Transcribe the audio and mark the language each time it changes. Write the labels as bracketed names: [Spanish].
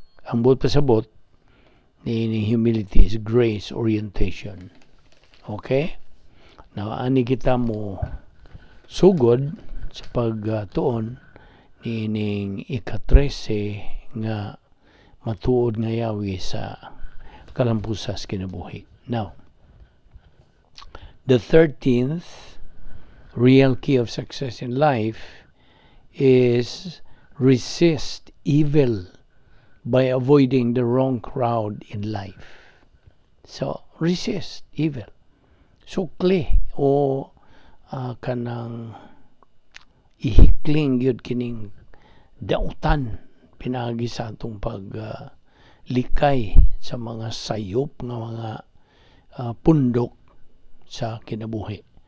[Cebuano] Ang buot pasabot ni humility [English] is grace orientation. Okay? [Cebuano] Now, ani kita mo sugod sa pagtuon niining ikatrese nga matuod nga Yahweh sa kalampusan sa kinabuhi. [English] Now, the 13th real key of success in life is resist evil by avoiding the wrong crowd in life. So, resist evil. [Cebuano] Sukli o kanang ihikling yun kining dautan pinagi sa itong paglikay sa mga sayop ng mga pundok sa kinabuhi.